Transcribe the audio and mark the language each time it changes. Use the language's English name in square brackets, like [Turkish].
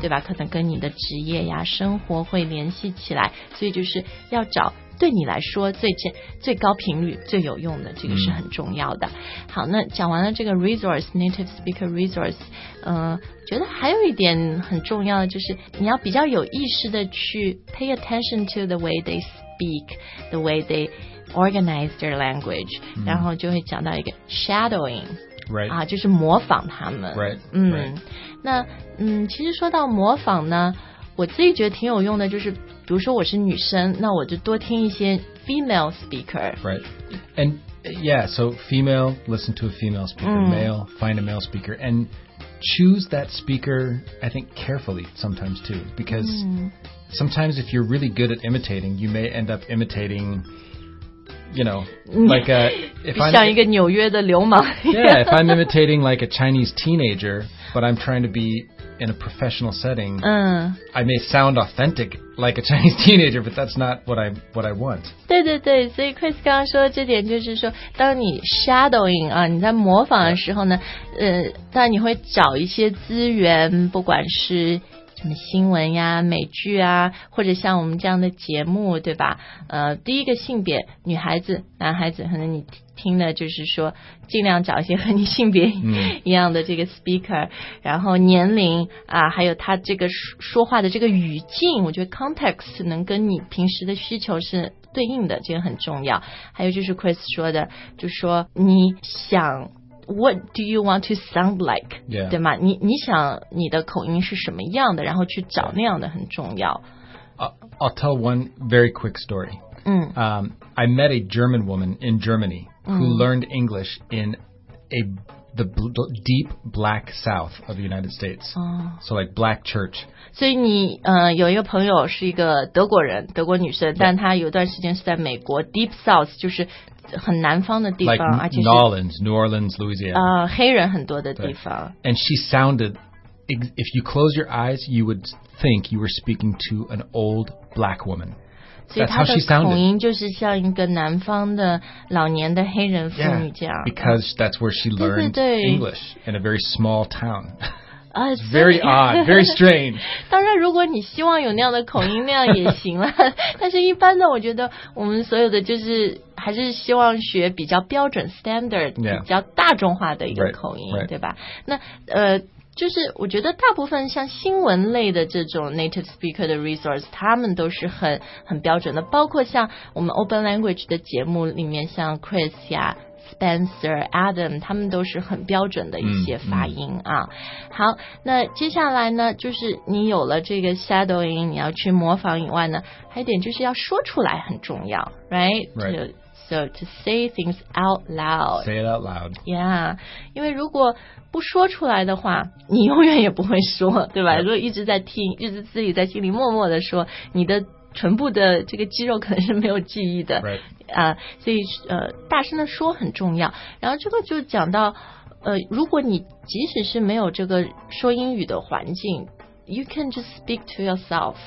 [Chinese] 对吧可能跟你的职业呀生活会联系起来所以就是要找对你来说最高频率最有用的这个是很重要的、嗯、好那讲完了这个 resource native speaker resource、觉得还有一点很重要的就是你要比较有意识的去 [English] pay attention to the way they speak the way they organize their language、嗯、 [Chinese] 然后就会讲到一个 shadowing、 [English] right. [Chinese] 啊、就是模仿他们、 [English] right. 嗯 right. [Chinese] 那嗯，其实说到模仿呢我自己觉得挺有用的就是比如说我是女生那我就多听一些 female speaker [English] right and yeah so female listen to a female speaker、嗯、 male find a male speaker and choose that speaker I think carefully sometimes too because、嗯、 sometimes if you're really good at imitating you may end up imitating you know like a if [Chinese] 像一个纽约的流氓 [English] yeah if I'm imitating like a Chinese teenager but I'm trying to beIn a professional setting,、I may sound authentic like a Chinese teenager, but that's not what I want. [Chinese] 对对对，所以 Chris 刚刚说的这点就是说，当你 shadowing 啊，你在模仿的时候呢，当你会找一些资源，不管是什么新闻呀、美剧啊，或者像我们这样的节目，对吧？第一个性别，女孩子、男孩子，可能你。听的就是说尽量找一些和你性别一样的这个 speaker、嗯、然后年龄啊，还有他这个说话的这个语境我觉得 context 能跟你平时的需求是对应的这个很重要还有就是 Chris 说的就说你想 [English] what do you want to sound like、 yeah. [Chinese] 对吗 你想你的口音是什么样的然后去找那样的很重要 [English] I'll tell one very quick story、嗯 I met a German woman in GermanyWho learned English in the deep black south of the United States.、 Oh. So like black church. [Chinese] 所以你、有一个朋友是一个德国人德国女生、 [English] yeah. [Chinese] 但她有段时间是在美国 deep south 就是很南方的地方 [English] like New Orleans, Louisiana、 [Chinese] 黑人很多的地方 [English] right. And she sounded if you close your eyes you would think you were speaking to an old black womanThat's how she sounded. [Chinese] 所以她的口音就是像一个南方的老年的黑人妇女这样。 [English] Yeah, because that's where she learned [Chinese] 对对对 [English] English in a very small town. It's very odd, very strange. [Chinese] 当然，如果你希望有那样的口音，那样也行了。但是，一般的，我觉得我们所有的就是还是希望学比较标准 standard、 [English] yeah. [Chinese] 比较大众化的一个口音， [English] right, right. [Chinese] 对吧？那就是我觉得大部分像新闻类的这种 native speaker 的 resource 他们都是很标准的包括像我们 open language 的节目里面像 Chris 呀 Spencer Adam 他们都是很标准的一些发音啊、嗯嗯、好那接下来呢就是你有了这个 shadowing 你要去模仿以外呢还有点就是要说出来很重要 right? [English] So to say things out loud say it out loud [Chinese] yeah 因为如果不说出来的话你永远也不会说对吧、 [English] yeah. [Chinese] 如果一直在听一直自己在心里默默的说你的唇部的这个肌肉可能是没有记忆的、 [English] right. [Chinese] 所以大声的说很重要然后这个就讲到如果你即使是没有这个说英语的环境 [English] you can just speak to yourself、